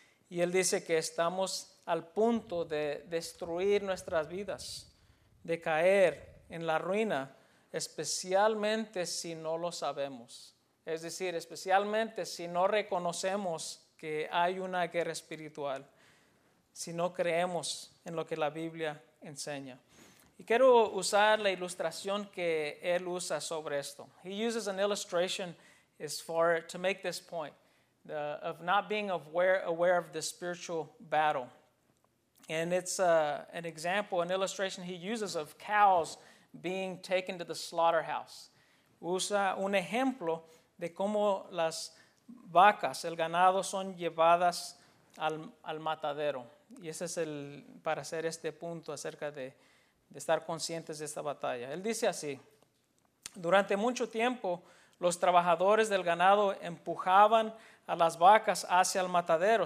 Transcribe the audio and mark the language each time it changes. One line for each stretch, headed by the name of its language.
Spanish: Y él dice que estamos al punto de destruir nuestras vidas, de caer en la ruina, especialmente si no lo sabemos. Es decir, especialmente si no reconocemos que hay una guerra espiritual, si no creemos en lo que la Biblia enseña. Y quiero usar la ilustración que él usa sobre esto.
English: He uses an illustration to make this point, of not being aware of the spiritual battle. And it's an illustration he uses of cows being taken to the slaughterhouse.
Spanish: Usa un ejemplo de cómo las vacas, el ganado, son llevadas al matadero. Y ese es para hacer este punto acerca de estar conscientes de esta batalla. Él dice así: durante mucho tiempo, los trabajadores del ganado empujaban a las vacas hacia el matadero.